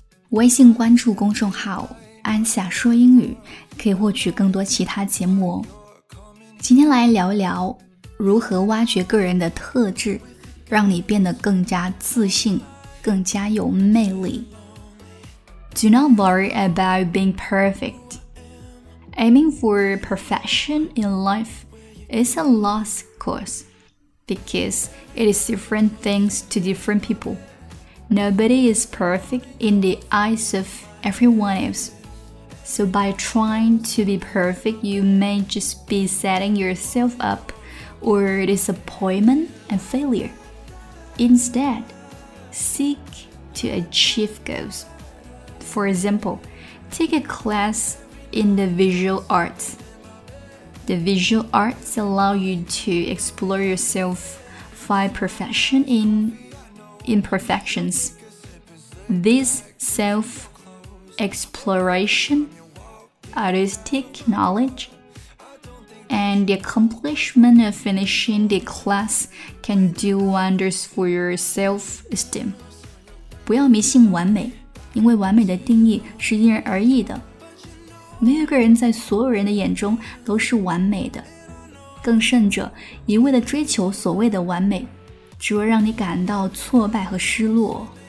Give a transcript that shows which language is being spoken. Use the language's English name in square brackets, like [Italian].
[Chinese] 微信关注公众号安夏说英语，可以获取更多其他节目哦。今天来聊一聊如何挖掘个人的特质，让你变得更加自信，更加有魅力。 [English] Do not worry about being perfect. Aiming for perfection in life is a lost cause because it is different things to different people. Nobody is perfect in the eyes of everyone else. So by trying to be perfect, you may just be setting yourself up for disappointment and failure. Instead, seek to achieve goals. For example, take a class in the visual arts. The visual arts allow you to explore yourself, find perfection in imperfections. This self-exploration, artistic knowledge, and the accomplishment of finishing the class can do wonders for your self-esteem. [Chinese] 不要迷信完美。因为完美的定义是因人而异的，没有一个人在所有人的眼中都是完美的，更甚者一味的追求所谓的完美，只会让你感到挫败和失落。